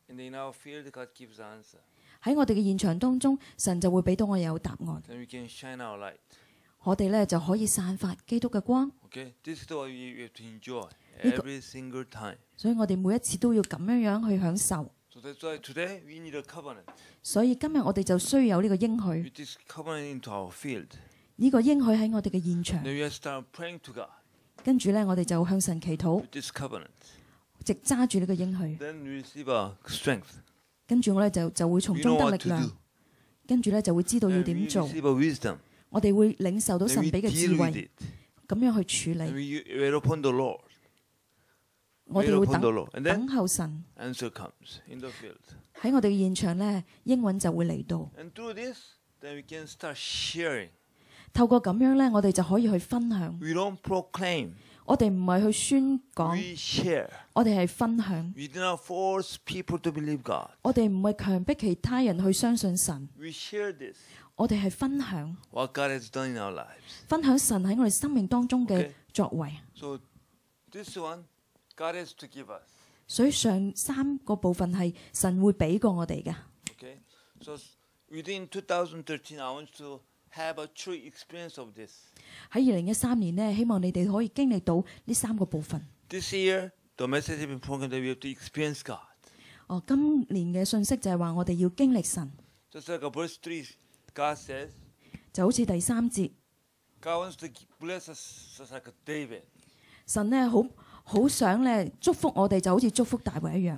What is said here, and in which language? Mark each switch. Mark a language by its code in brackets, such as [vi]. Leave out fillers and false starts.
[en] And in our field, God gives answer. [yue] 喺我哋嘅现场当中，神就会俾到我有答案。 [en] Then we can shine our light. [yue] 我哋咧就可以散发基督嘅光。 [en] Okay, this is what we have to enjoy. Every single time. [yue] 所以我哋每一次都要咁样样去享受。 [en] So that's why today we need a covenant. [yue] 所以今日我哋就需要有呢个应许。 [en] With this covenant into our field. [yue] 呢个应许喺我哋嘅现场。 [en] Then we start praying to God. [yue] 跟住咧，我哋就向神祈祷。 [en] With this covenant. [yue] 直揸住呢个应许。 [en] Then we receive our strength. [yue] 跟住我咧就会从中得力量。跟住咧就会知道要点做。 [en] And we receive our wisdom. [yue] 我哋会领受到神俾嘅智慧。咁样去处理。 [en] And we wait upon the Lord. [yue] 我哋会等候神。 [en] Answer comes in the field. [yue] 喺我哋嘅现场咧，应允就会嚟到。 [en] And through this, then we can start sharing. [yue] 透过咁样咧，我哋就可以去分享。 [en] We don't proclaim. [yue] 我哋唔系去宣讲。 [en] We share. [yue] 我哋系分享。 [en] We do not force people to believe God. [yue] 我哋唔系强迫其他人去相信神。 [en] We share this. [yue] 我哋系分享。 [en] What God has done in our lives. [yue] 分享神喺我哋生命当中嘅作为。 [en] So this one. God is to give us. [yue] 所以上三个部分系神会俾过我哋嘅。 [en] Okay, so within 2013, I want to have a true experience of this. [yue] 喺2013年咧，希望你哋可以经历到呢三个部分。 [en] This year, the message has been proclaimed that we have to experience God. [yue] 哦，今年嘅信息就系话我哋要经历神。 [en] Just like verse 3, God says. [yue] 就好似第三节。 [en] God wants to bless us just like David. [yue] 神咧好想咧祝福我哋，就好似祝福大卫一样。